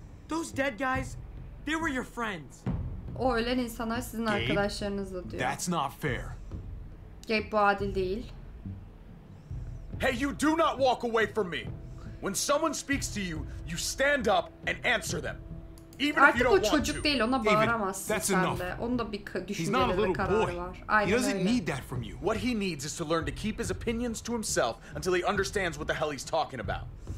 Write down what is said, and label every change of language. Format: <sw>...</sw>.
<en>Those dead guys, they were your friends.</en> <tr>O ölen insanlar sizin arkadaşlarınızdı diyor.</tr> <en>That's not fair.</en> <tr>Gabe bu adil değil.</tr> <en>Hey, you do not walk away from me. When someone speaks to you, you stand up and answer them.</en> <tr>Artık o çocuk değil, ona bağıramazsın David, sen enough. De. Onun da bir düşünceleri ve kararı var. Aynen öyle.</tr> <en>He doesn't need that from you. What he needs is to learn to keep his opinions to himself until he understands what the hell he's talking about.</en>